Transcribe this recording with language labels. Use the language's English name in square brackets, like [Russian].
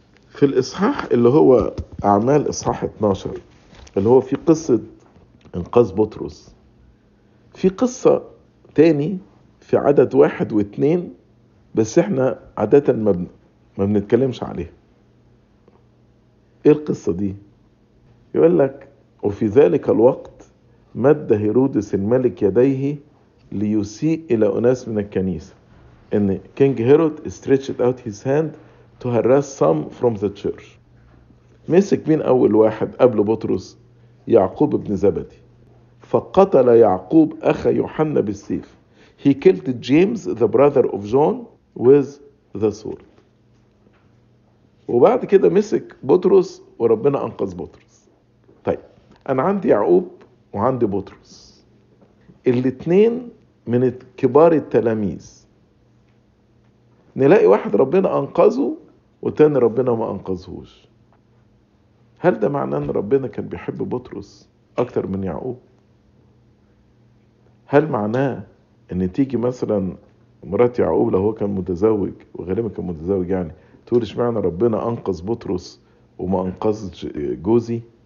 [Arabic] في الاصحاح اللي هو اعمال اصحاح 12 اللي هو في قصة انقاذ بطرس، في قصة تاني في عدد 1 و2، بس احنا عادة ما بنتكلمش عليها. ايه القصة دي؟ يقول لك وفي ذلك الوقت مد هيرودس الملك يديه ليسيء الى اناس من الكنيسة. [English] ان king Herod stretched out his hand to harass some from the church. [Arabic] مسك مين اول واحد قبل بطرس؟ يعقوب ابن زبدي. فقتل يعقوب أخا يوحنا بالسيف. [English] He killed James the brother of John with the sword. [Arabic] وبعد كده مسك بطرس وربنا أنقذ بطرس. طيب أنا عندي يعقوب وعندي بطرس، الاثنين من كبار التلاميذ، نلاقي واحد ربنا أنقذه وتاني ربنا ما أنقذهوش، هل ده معناه أن ربنا كان بيحب بطرس أكتر من يعقوب؟ هل معناه ان تيجي مثلا مرات يعقوب لو هو كان متزوج، وغالبا كان متزوج، يعني تقول اشمعنى ربنا انقذ بطرس وما انقذش جوزي؟